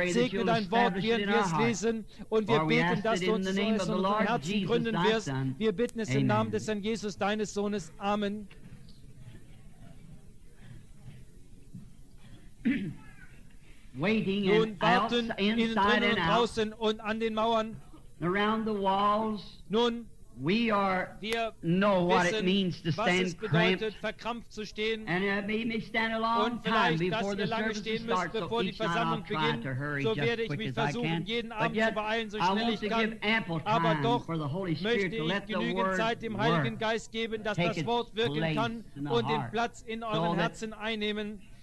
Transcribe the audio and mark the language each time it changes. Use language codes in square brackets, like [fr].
[de] Segne dein Wort, während wir es lesen und wir beten, dass du uns in unserem Herzen gründen wirst. Wir bitten es im Namen des Herrn Jesus, deines Sohnes. Amen. Nun warten innen drinnen und draußen und an den Mauern. [en] Around the walls. [de] Nun, wir [en] know what it means to stand cramped. [de] Was es bedeutet, verkrampft zu stehen. [en] And maybe stand a long [de] und vielleicht, [en] time [de] dass wir lange stehen müssen, bevor die Versammlung beginnt. So werde ich mich versuchen, jeden Abend zu beeilen, so schnell ich kann. Aber doch möchte ich genügend Zeit dem Heiligen Geist geben, dass das Wort wirken kann und den Platz in euren Herzen einnehmen.